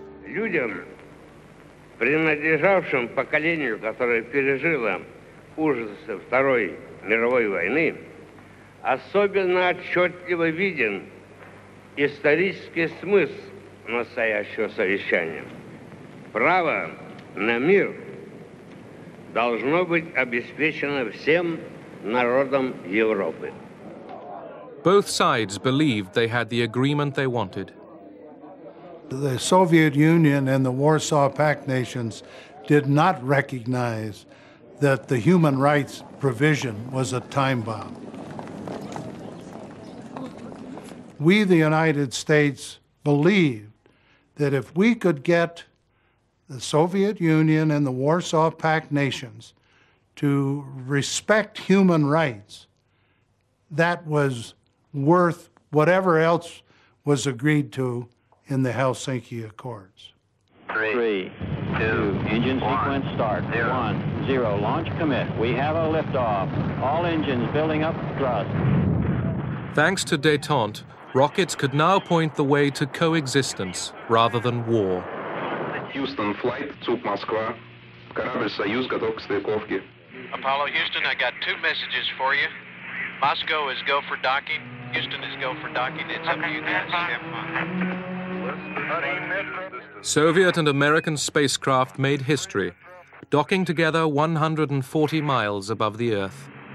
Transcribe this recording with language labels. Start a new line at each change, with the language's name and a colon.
Russian: Людям, принадлежавшим поколению, которое пережило ужасы Второй мировой войны, особенно отчетливо виден исторический смысл настоящего совещания. Право на мир должно быть обеспечено всем народам Европы.
English: Both sides believed they had the agreement they wanted. The Soviet Union and the Warsaw Pact nations did not recognize that the human rights provision was a time bomb. We, the United States, believed that if we could get the Soviet Union and the Warsaw Pact nations to respect human rights, that was worth whatever else was agreed to in the Helsinki Accords. Three, two, engine sequence start. Zero. 1-0, launch commit. We have a liftoff. All engines building up thrust. Thanks to detente, rockets could now point the way to coexistence rather than war. Houston flight, Zug Moskva.
Russian: Корабль Союз готов к стыковке.
English: Apollo Houston, I got two messages for you. Moscow is go for docking. Houston is go for docking. It's up to you guys. Soviet and American spacecraft made history, docking together 140 miles above the Earth.